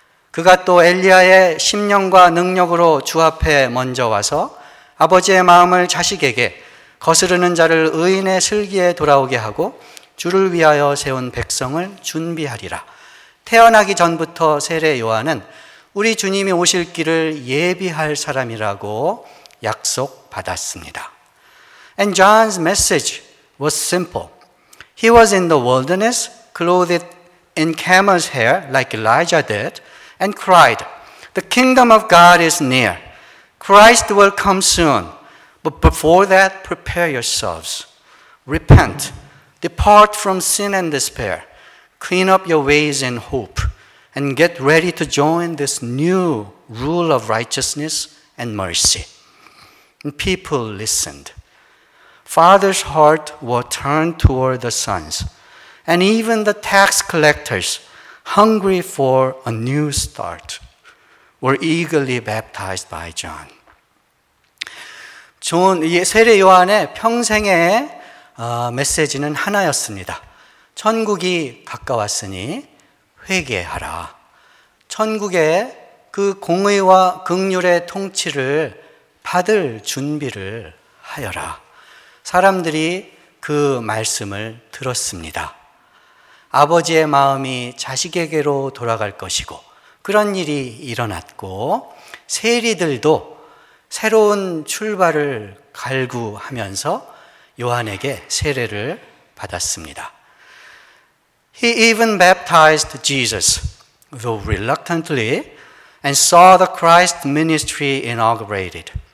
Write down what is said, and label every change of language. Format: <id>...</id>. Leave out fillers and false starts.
<ko>그가 또 엘리야의 심령과 능력으로 주 앞에 먼저 와서 아버지의 마음을 자식에게 거스르는 자를 의인의 슬기에 돌아오게 하고 주를 위하여 세운 백성을 준비하리라. 태어나기 전부터 세례 요한은 우리 주님이 오실 길을 예비할 사람이라고 약속받았습니다.</ko> <en>And John's message was simple. He was in the wilderness, clothed in camel's hair like Elijah did, and cried, The kingdom of God is near. Christ will come soon. But before that, prepare yourselves. Repent. Depart from sin and despair. Clean up your ways in hope. And get ready to join this new rule of righteousness and mercy. And people listened. Father's heart were turned toward the sons, And even the tax collectors, hungry for a new start, were eagerly baptized by John.</en> <ko>존, 세례 요한의 평생의 메시지는 하나였습니다. 천국이 가까웠으니 회개하라. 천국의 그 공의와 긍휼의 통치를 받을 준비를 하여라. 사람들이 그 말씀을 들었습니다. 아버지의 마음이 자식에게로 돌아갈 것이고 그런 일이 일어났고 세리들도 새로운 출발을 갈구하면서 요한에게 세례를 받았습니다.</ko> <en>He even baptized Jesus, though reluctantly, and saw the Christ ministry inaugurated.</en>